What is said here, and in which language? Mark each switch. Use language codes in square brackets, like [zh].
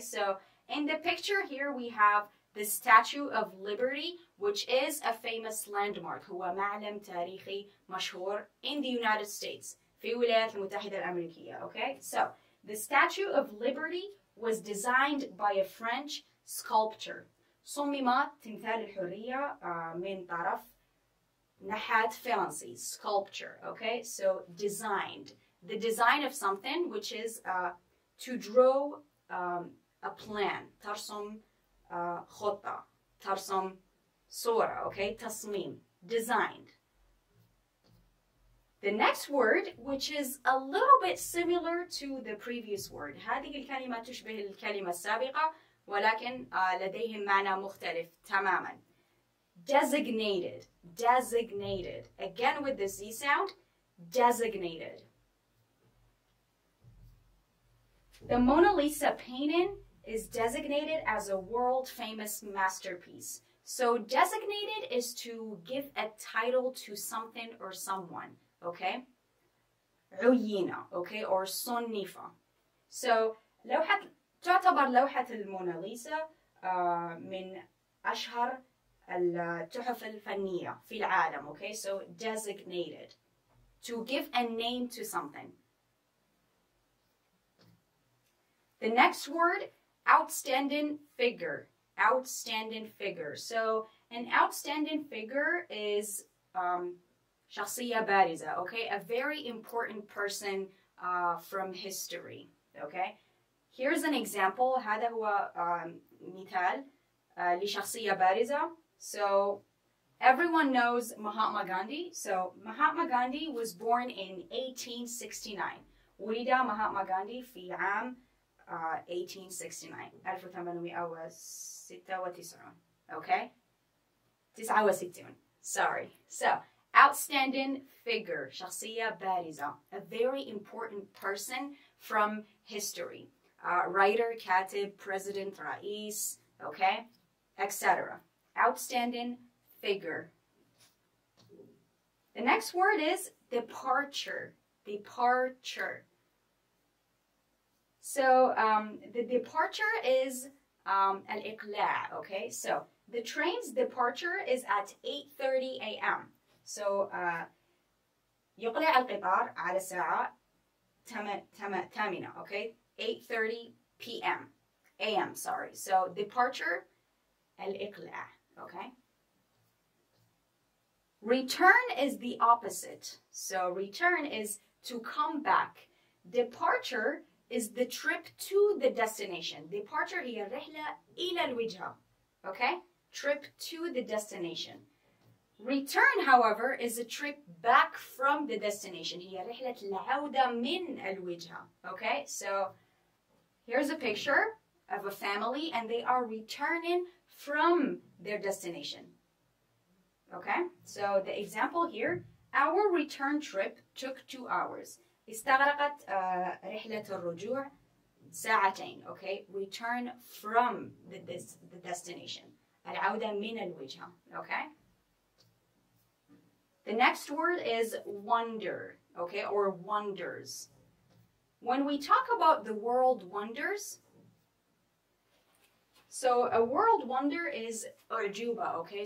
[en] So in the picture here, we have the Statue of Liberty, which is a famous landmark, [ar] هو معلم تاريخي مشهور [en] in the United States, [ar] في الولايات المتحدة الأمريكية, [en] okay? So the Statue of Liberty was designed by a French sculptor. [ar] صممت تمثال الحرية من طرف نحات فرنسي, sculpture, okay? [en] So designed. The design of something, which is to draw a plan. [ar] ترسم خطة, ترسم صورة, okay? تصميم, designed. [en] The next word, which is a little bit similar to the previous word. [ar] هذه الكلمة تشبه الكلمة السابقة ولكن لديهم معنى مختلف تماما. [en] Designated. Again with the Z sound, designated. The Mona Lisa painting is designated as a world famous masterpiece. So designated is to give a title to something or someone. Okay, عينة, okay, or صنفة. So لوحة [ar] تعتبر لوحة الموناليزا من أشهر التحف الفنية في العالم. [en] Okay, so designated to give a name to something. The next word, outstanding figure. Outstanding figure. So an outstanding figure is [ar] شخصية بارزة. [en] Okay, a very important person from history. Okay, here's an example. [ar] هذا هو مثال لشخصية بارزة. [en] So everyone knows Mahatma Gandhi. So Mahatma Gandhi was born in 1869. [ar] ولد Mahatma Gandhi في عام 1869. [en] 1896. Okay? 69. Sorry. So outstanding figure. [ar] شخصية بارزة. [en] A very important person from history. Writer, كاتب, president, رئيس. Okay? Etc. Outstanding figure. The next word is departure. Departure. So the departure is الإقلاع. Okay. So the train's departure is at 8:30 a.m. [ar] So يقلع القطار على الساعة ثمانية. [en] Okay. 8:30 p.m. a.m. Sorry. So departure, الإقلاع. Okay. Return is the opposite. So return is to come back. Departure is the trip to the destination. [ar] Departure هي الرحلة إلى الوجهة. [en] Okay? Trip to the destination. Return, however, is a trip back from the destination. [ar] هي رحلة العودة من الوجهة. [en] Okay? So here's a picture of a family and they are returning from their destination. Okay? So the example here, our return trip took 2 hours. [ar] استغرقت رحلة الرجوع ساعتين. [en] Okay? Return from the destination. [ar] العودة من الوجهة. Okay? [en] The next word is wonder. Okay? Or wonders. When we talk about the world wonders, so a world wonder is Ajuba, okay?